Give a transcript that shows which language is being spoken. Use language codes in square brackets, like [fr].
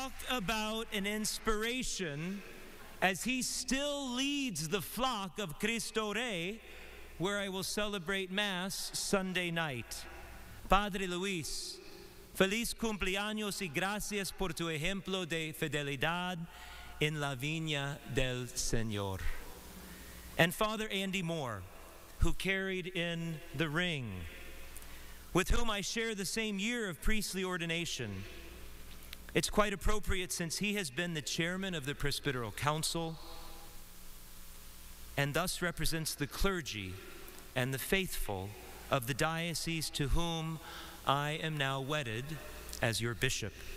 [en] About an inspiration as he still leads the flock of Cristo Rey, where I will celebrate Mass Sunday night. [es] Padre Luis, feliz cumpleaños y gracias por tu ejemplo de fidelidad en la viña del Señor. [en] And Father Andy Moore, who carried in the ring, with whom I share the same year of priestly ordination. It's quite appropriate since he has been the chairman of the Presbyteral Council and thus represents the clergy and the faithful of the diocese to whom I am now wedded as your bishop.